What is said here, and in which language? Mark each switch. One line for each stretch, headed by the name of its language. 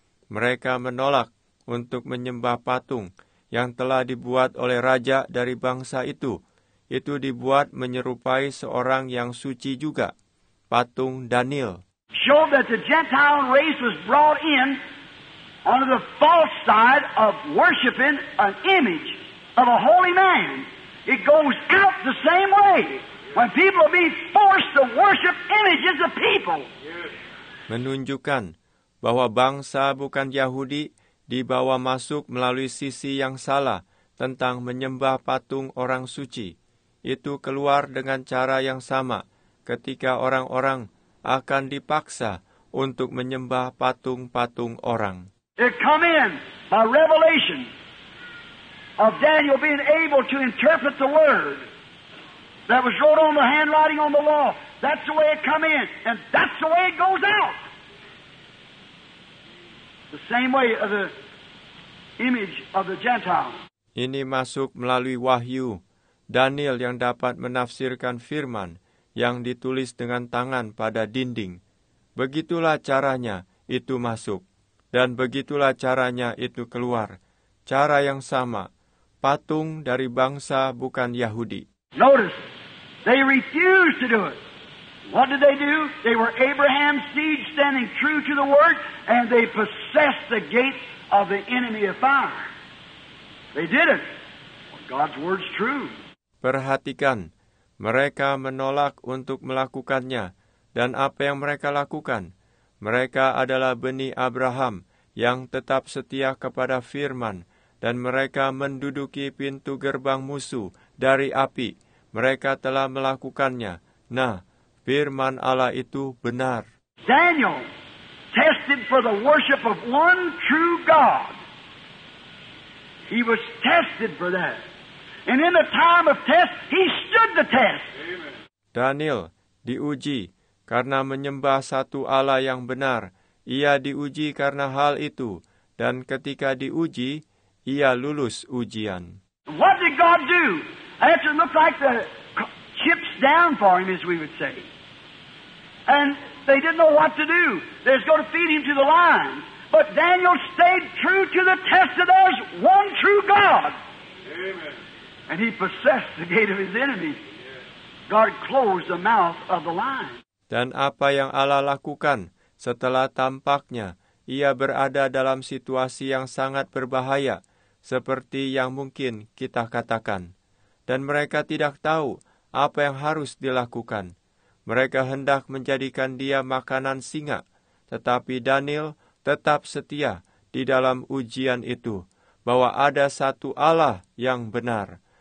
Indonesian: Mereka menolak untuk menyembah patung yang telah dibuat oleh raja dari bangsa itu. Itu dibuat menyerupai seorang yang suci juga, patung Daniel.
English: Show that the Gentile race was brought in onto the false side of worshiping an image of a holy man. It goes out the same way when people are being forced to worship images of people.
Indonesian: Menunjukkan bahwa bangsa bukan Yahudi dibawa masuk melalui sisi yang salah tentang menyembah patung orang suci. Itu keluar dengan cara yang sama ketika orang-orang akan dipaksa untuk menyembah patung-patung orang.
English: It come in by revelation of Daniel being able to interpret the word that was wrote on the handwriting on the law. That's the way it come in, and that's the way it goes out. The same way of the image of the Gentile.
Indonesian: Ini masuk melalui wahyu Daniel yang dapat menafsirkan firman yang ditulis dengan tangan pada dinding. Begitulah caranya itu masuk, dan begitulah caranya itu keluar. Cara yang sama, patung dari bangsa bukan Yahudi.
English: Notice, they refused to do it. What did they do? They were Abraham's seed standing true to the word, and they possessed the gates of the enemy of fire. They did it. God's word's true.
Indonesian: Perhatikan, mereka menolak untuk melakukannya, dan apa yang mereka lakukan? Mereka adalah benih Abraham yang tetap setia kepada firman, dan mereka menduduki pintu gerbang musuh dari api. Mereka telah melakukannya. Nah, firman Allah itu benar.
English: Daniel tested for the worship of one true God. He was tested for that. And in the time of test, he stood the test.
Indonesian: Daniel diuji karena menyembah satu Allah yang benar. Ia diuji karena hal itu. Dan ketika diuji, ia lulus ujian.
English: What did God do? After it looked like the chips down for him, as we would say. And they didn't know what to do. They were going to feed him to the lions. But Daniel stayed true to the test of theirs, one true God. Amen. And he possessed the gate of his enemy. God closed the mouth of the lion.
Indonesian: Dan apa yang Allah lakukan setelah tampaknya ia berada dalam situasi yang sangat berbahaya, seperti yang mungkin kita katakan. Dan mereka tidak tahu apa yang harus dilakukan. Mereka hendak menjadikan dia makanan singa, tetapi Daniel tetap setia di dalam ujian itu, bahwa ada satu Allah yang benar.